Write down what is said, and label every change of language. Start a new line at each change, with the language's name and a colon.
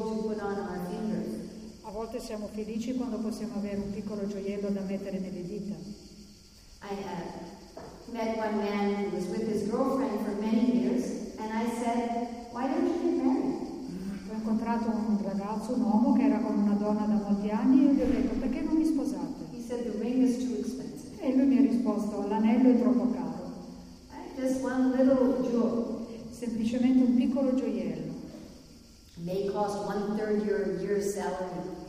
Italian: A volte siamo felici quando possiamo avere un piccolo gioiello da mettere nelle dita.
English: I met one man who was with his girlfriend for many years and I said, why don't you get married?
Italian: Ho incontrato un ragazzo, un uomo che era con una donna da molti anni e gli ho detto, perché non mi sposate?
English: He said, the ring is too expensive.
Italian: E lui mi ha risposto, l'anello è troppo caro.
English: Just one little jewel.
Italian: Semplicemente un piccolo gioiello.
English: May cost one third your salary.